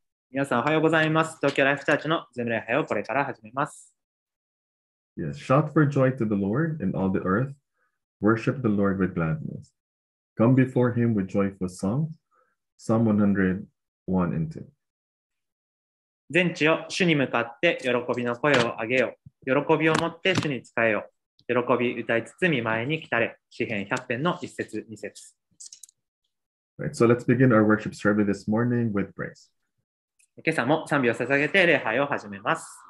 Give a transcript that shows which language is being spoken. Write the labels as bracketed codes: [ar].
[ja] 皆さんおはようございます。東京ライフチャーチの Zoom 礼拝をこれから始めます。 [en] Yes, shout for joy to the Lord and all the earth. Worship the Lord with gladness. Come before him with joyful songs. Psalm 101 and 2. [ja] 全地を主に向かって喜びの声を上げよう。喜びを持って主に仕えよう。喜び歌いつつ御前に来たれ、詩編100編の1節2節。 [en] Right, so let's begin our worship service this morning with praise. [ja] 今朝も賛美を捧げて礼拝を始めます。